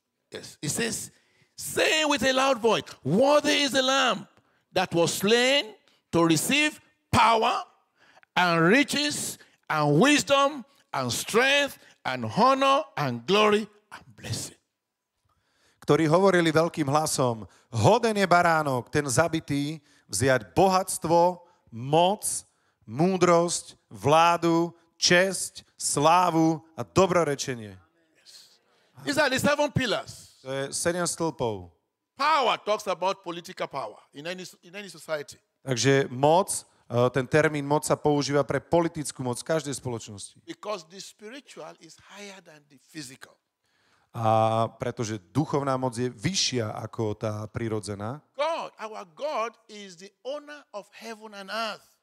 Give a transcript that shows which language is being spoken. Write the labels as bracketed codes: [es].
[en] Yes, it says saying with a loud voice, worthy is the lamb that was slain to receive power and riches and wisdom and strength and honor and glory and blessing. [sk] Ktorí hovorili veľkým hlasom, hoden je baránok, ten zabitý, vziať bohatstvo, moc, múdrosť, vládu, česť, slávu a dobrorečenie. [en] Yes. These are the seven pillars. [sk] To je sedem stĺpov. [en] Power talks about political power in any society. [sk] Takže moc, ten termín moc sa používa pre politickú moc každej spoločnosti. [en] Because the spiritual is higher than the physical. [sk] A pretože duchovná moc je vyššia ako tá prirodzená. [en] God, our God is the owner of heaven and earth.